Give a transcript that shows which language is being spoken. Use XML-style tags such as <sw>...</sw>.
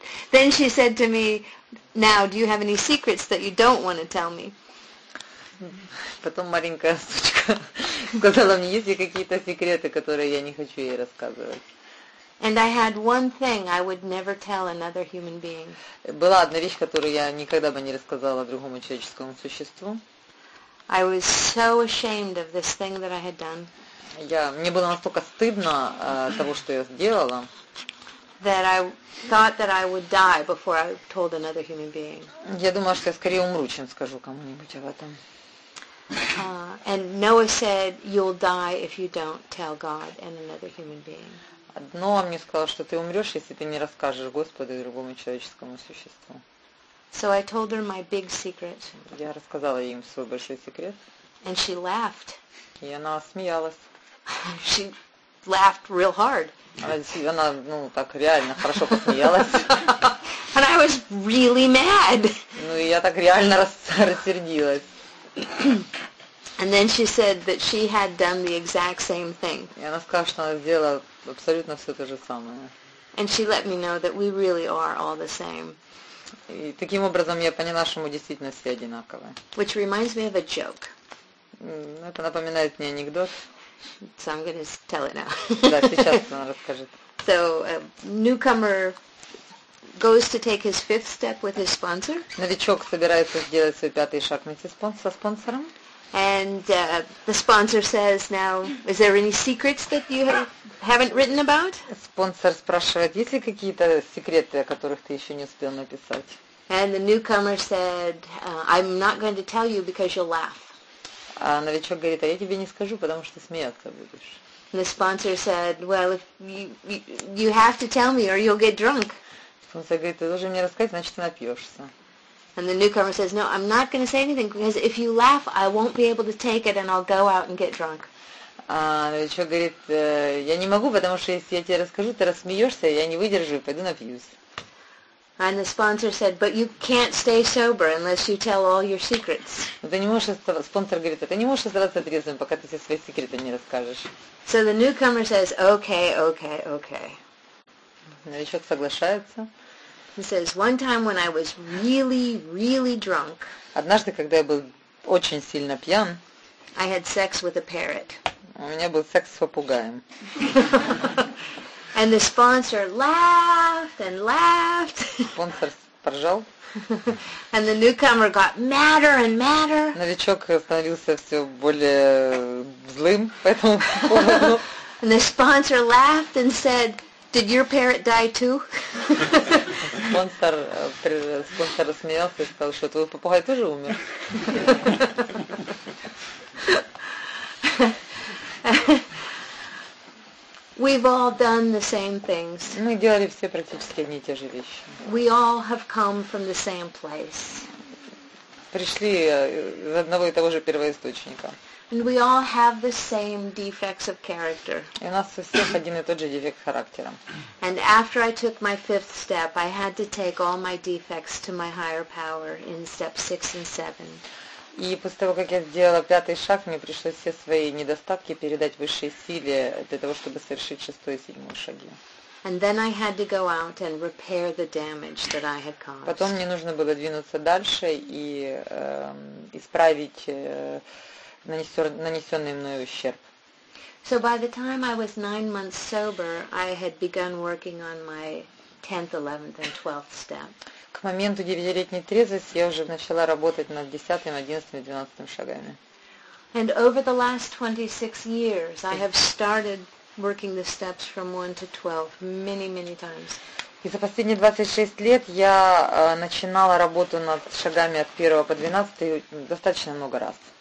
<en>Then she said to me, now, do you have any secrets that you don't want to tell me?</en> <ru>Потом маленькая сучка сказала мне, есть ли какие-то секреты, которые я не хочу ей рассказывать.</ru> <en>And I had one thing I would never tell another human being.</en> <ru>Была одна вещь, которую я никогда бы не рассказала другому человеческому существу.</ru> <en>I was so ashamed of this thing that I had done.</en> <ru>Мне было настолько стыдно того, что я сделала.</ru> <en>That I thought that I would die before I told another human being.</en> <ru>Я думала, что я скорее умру, чем скажу кому-нибудь об этом.</ru> <en>And Noah said, "You'll die if you don't tell God and another human being."</en> <ru>Ноа мне сказала, что ты умрешь, если ты не расскажешь Господу и другому человеческому существу.</ru> <en>So I told her my big secret.</en> <ru>Я рассказала ей свой большой секрет.</ru> <en>And she laughed.</en> <ru>И она смеялась.</ru> <en>She laughed real hard.</en> <ru>Она, ну, так реально хорошо посмеялась.</ru> <en>And I was really mad.</en> <ru>Ну, и я так реально рассердилась.</ru> <en>And then she said that she had done the exact same thing.</en> <ru>И она сказала, что она сделала абсолютно все то же самое.</ru> <en>And she let me know that we really are all the same.</en> <ru>И таким образом я поняла, что мы действительно все одинаковые.</ru> <en>Which reminds me of a joke.</en> <ru>Это напоминает мне анекдот.</ru> <en>So I'm going to tell it now.</en> <ru>Да, сейчас она расскажет.</ru> <en>So a newcomer goes to take his fifth step with his sponsor.</en> <ru>Новичок собирается сделать свой пятый шаг вместе со спонсором.</ru> <en>And the sponsor says, "Now, is there any secrets that you haven't written about?"</en> <ru>Спонсор спрашивает, есть ли какие-то секреты, о которых ты еще не успел написать.</ru> <en>And the newcomer said, "I'm not going to tell you because you'll laugh."</en> <ru>А новичок говорит, а я тебе не скажу, потому что смеяться будешь.</ru> <en>The sponsor said, "Well, if you have to tell me, or you'll get drunk."</en> <ru>Спонсор говорит, ты должен мне рассказать, значит ты напьешься.</ru> <en>And the newcomer says, "No, I'm not going to say anything because if you laugh, I won't be able to take it, and I'll go out and get drunk."</en> <ru>Новичок говорит, я не могу, потому что если я тебе расскажу, ты рассмеешься, я не выдержу, пойду напьюсь.</ru> <en>And the sponsor said, "But you can't stay sober unless you tell all your secrets."</en> <ru>Ты не можешь оставаться. Спонсор говорит, ты не можешь оставаться трезвым, пока ты все свои секреты не расскажешь.</ru> <en>So the newcomer says, "Okay, okay, okay."</en> <ru>Новичок соглашается.</ru> <en>He says, one time when I was really, really drunk.</en> <ru>Однажды, когда я был очень сильно пьян.</ru> <en>I had sex with a parrot.</en> <ru>У меня был секс с попугаем.</ru> <en>And the sponsor laughed and laughed.</en> <ru>Спонсор поржал.</ru> <en>And the newcomer got madder and madder.</en> <ru>Новичок становился все более злым по этому поводу.</ru> <en>And the sponsor laughed and said, "Did your parrot die too?"</en> <ru>Спонсор рассмеялся и сказал, что твой попугай тоже умер.</ru> <en>We've all done the same things.</en> <ru>Мы делали все практически одни и те же вещи.</ru> <en>We all have come from the same place.</en> <ru>Пришли из одного и того же первоисточника.</ru> <en>And we all have the same defects of character.</en> <ru>И у нас у всех один и тот же дефект характера.</ru> <en>And after I took my fifth step, I had to take all my defects to my higher power in step 6 and 7.</en> <ru>И после того, как я сделала пятый шаг, мне пришлось все свои недостатки передать высшей силе для того, чтобы совершить шестой и седьмой шаги.</ru> <en>And then I had to go out and repair the damage that I had caused.</en> <ru>Потом мне нужно было двинуться дальше и исправить нанесенный мной ущерб.</ru> <en>So by the time I was 9 months sober, I had begun working on my 10th, 11th, and 12th step.</en> <ru>К моменту 9-летней трезвости я уже начала работать над 10-м, 11-м и 12-м шагами.</ru> <en>And over the last 26 years, I have started working the steps from 1 to 12 many, many times.</en> <ru>И за последние 26 лет я начинала работу над шагами от 1 по 12 достаточно много раз.</ru>